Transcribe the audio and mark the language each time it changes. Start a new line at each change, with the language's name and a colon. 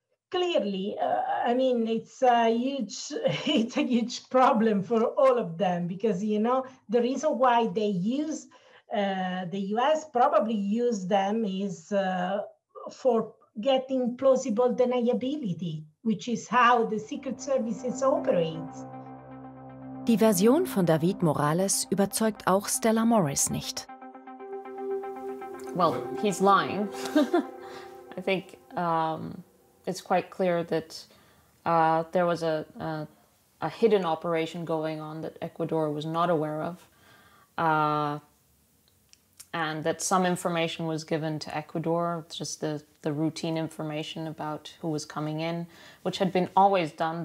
English: Clearly, I mean, it's a huge problem for all of them because you know the reason why they use. The U.S. probably use them is for getting plausible deniability, which is how the Secret Services operates.
German: Die Version von David Morales überzeugt auch Stella Morris nicht.
English: Well, he's lying. I think it's quite clear that there was a hidden operation going on that Ecuador was not aware of. And that some information was given to Ecuador, just the routine information about who was coming in, which had been always done.